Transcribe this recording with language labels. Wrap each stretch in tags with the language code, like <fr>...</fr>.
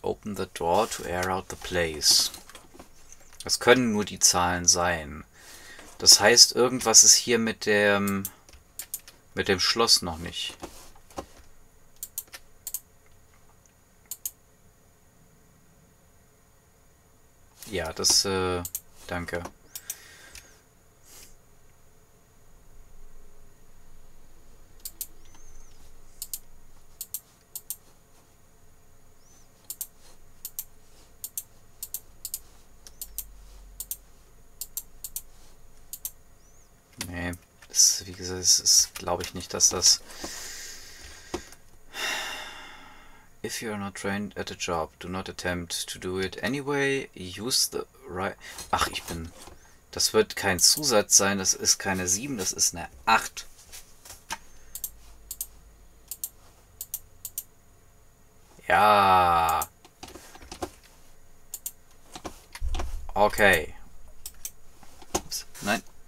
<en>Open the door to air out the place.</en> <de>Das können nur die Zahlen sein. Das heißt, irgendwas ist hier mit dem Schloss noch nicht. Ja, das, danke. Wie gesagt, es ist, glaube ich nicht, dass das.</de> <en>If you are not trained at a job, do not attempt to do it anyway. Use the right.</en> <de>Ach, ich bin. Das wird kein Zusatz sein, das ist keine 7, das ist eine 8. Ja. Okay. Nein.</de>